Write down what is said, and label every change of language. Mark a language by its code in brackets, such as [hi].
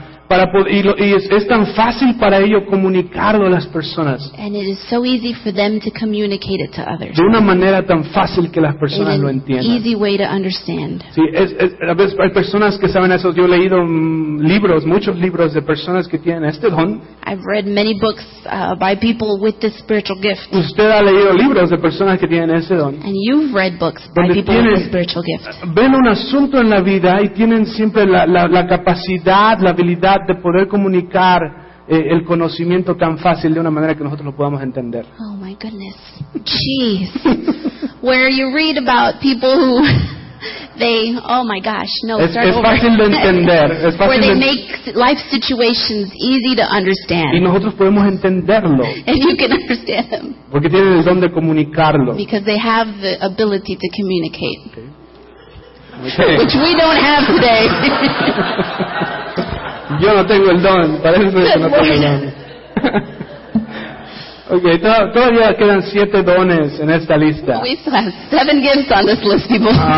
[es] Y es tan fácil para ellos comunicarlo a las personas. [en] And it is so easy for them to communicate it to others. [es] De una manera tan fácil que las personas lo entiendan. [en] Easy way to understand. [es] Sí, a veces hay personas que saben eso. Yo he leído libros, muchos libros de personas que tienen este don. [en] I've read many books by people with this spiritual gift. [es] Usted ha leído libros de personas que tienen ese don. [en] And you've read books by people with this spiritual gift. [es] Ven un asunto en la vida y tienen siempre la capacidad, la habilidad de poder comunicar el conocimiento tan fácil de una manera que nosotros lo podamos entender. [en] Oh my goodness. Jeez. Where you read about people who they, oh my gosh, no, es, start es over. [es] Fácil de entender. Es fácil [en] where they make life situations easy to understand. [es] Y nosotros podemos entenderlo. [en] And you can understand them. [es] Porque tienen el don de comunicarlo. [en] Because they have the ability to communicate. Okay. Which we don't have today. [es] Yo no tengo el don, parece que no tengo el don. Okay, todavía quedan 7 dones en esta lista. [en] We still have 7 gifts on this list, people.